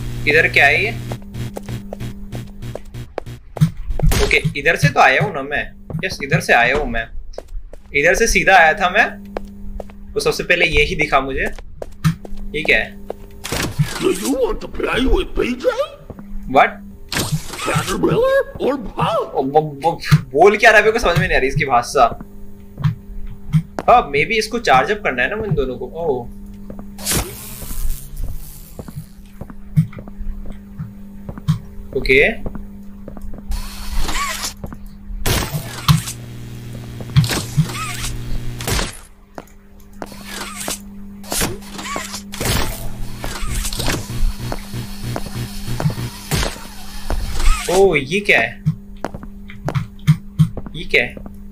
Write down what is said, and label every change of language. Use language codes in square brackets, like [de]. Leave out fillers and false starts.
[hi] इधर क्या है ये? ओके इधर से तो आया हूं ना मैं। यस इधर से आया हूं मैं, इधर से सीधा आया था मैं। तो सबसे पहले ये ही दिखा मुझे, ये क्या है? [en] Do you want to play with PJ? What? Caterpillar or Bob? [hi] बोल क्या रहा है, मेरे को समझ में नहीं आ रही इसकी भाषा। मे बी इसको चार्ज अप करना है ना इन दोनों को। ओह ओके ओह ये क्या है, ये क्या है?